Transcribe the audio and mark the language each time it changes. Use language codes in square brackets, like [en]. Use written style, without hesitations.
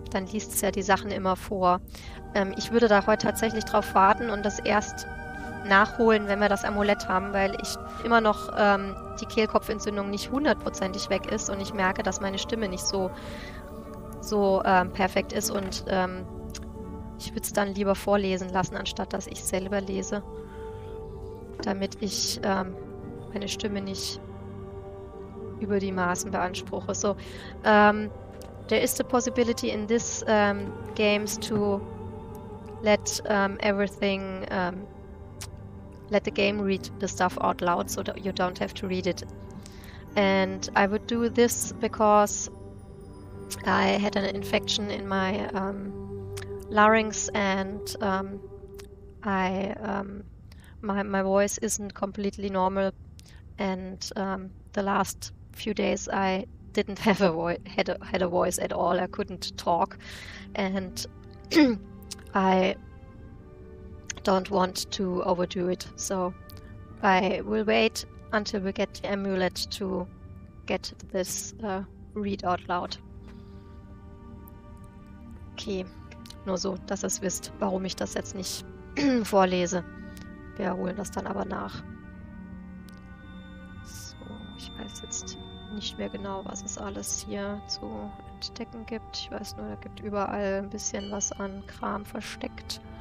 [de] Dann liest es ja die Sachen immer vor. Ich würde da heute tatsächlich drauf warten und das erst nachholen, wenn wir das Amulett haben, weil ich immer noch, die Kehlkopfentzündung nicht hundertprozentig weg ist und ich merke, dass meine Stimme nicht so perfekt ist, und ich würde es dann lieber vorlesen lassen, anstatt dass ich selber lese. Damit ich meine Stimme nicht über die Maßen beanspruche. [en] So, there is the possibility in this games to let everything, let the game read the stuff out loud, so that you don't have to read it. And I would do this because I had an infection in my larynx, and my voice isn't completely normal, and the last few days I didn't have had a voice at all. I couldn't talk, and I don't want to overdo it, so I will wait until we get the amulet to get this read out loud. [de] Okay, nur so, dass ihr wisst, warum ich das jetzt nicht vorlese. Wir holen das dann aber nach. So, ich weiß jetzt nicht mehr genau, was es alles hier zu entdecken gibt. Ich weiß nur, da gibt überall ein bisschen was an Kram versteckt.